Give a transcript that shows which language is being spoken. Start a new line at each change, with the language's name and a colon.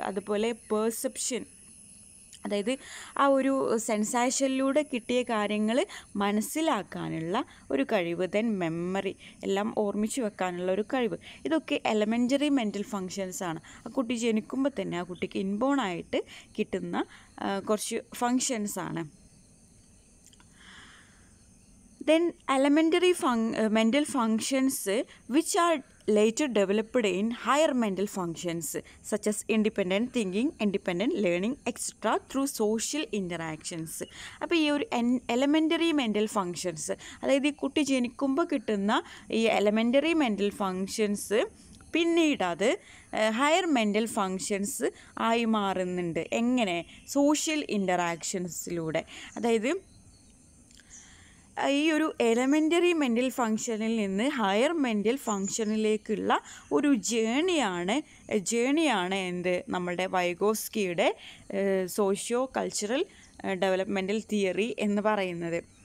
Malayalam: അതുപോലെ പെർസെപ്ഷൻ, അതായത് ആ ഒരു സെൻസേഷനിലൂടെ കിട്ടിയ കാര്യങ്ങൾ മനസ്സിലാക്കാനുള്ള ഒരു കഴിവ്. ദെൻ മെമ്മറി, എല്ലാം ഓർമ്മിച്ച് വെക്കാനുള്ള ഒരു കഴിവ്. ഇതൊക്കെ എലമെൻ്ററി മെൻ്റൽ ഫങ്ഷൻസാണ്. ആ കുട്ടി ജനിക്കുമ്പോൾ തന്നെ ആ കുട്ടിക്ക് ഇൻബോൺ ആയിട്ട് കിട്ടുന്ന കുറച്ച് ഫങ്ഷൻസാണ്.
English: Then elementary mental functions which are later developed in higher mental functions such as independent thinking, independent learning, etc. through social interactions.
Malayalam: അപ്പോൾ ഈ ഒരു എലമെൻ്ററി മെൻ്റൽ ഫങ്ഷൻസ്, അതായത് ഈ കുട്ടി ജനിക്കുമ്പോൾ കിട്ടുന്ന ഈ എലമെൻ്ററി മെൻ്റൽ ഫങ്ഷൻസ് പിന്നീട് അത് ഹയർ മെൻ്റൽ ഫങ്ഷൻസ് ആയി മാറുന്നുണ്ട്. എങ്ങനെ? സോഷ്യൽ ഇൻ്ററാക്ഷൻസിലൂടെ. അതായത് ഈ ഒരു എലമെൻ്ററി മെൻ്റൽ ഫങ്ഷനിൽ നിന്ന് ഹയർ മെൻ്റൽ ഫങ്ഷനിലേക്കുള്ള ഒരു ജേണിയാണ് എന്ത് നമ്മുടെ വൈഗോസ്കിയുടെ സോഷ്യോ കൾച്ചറൽ ഡെവലപ്മെൻ്റൽ തിയറി എന്ന് പറയുന്നത്.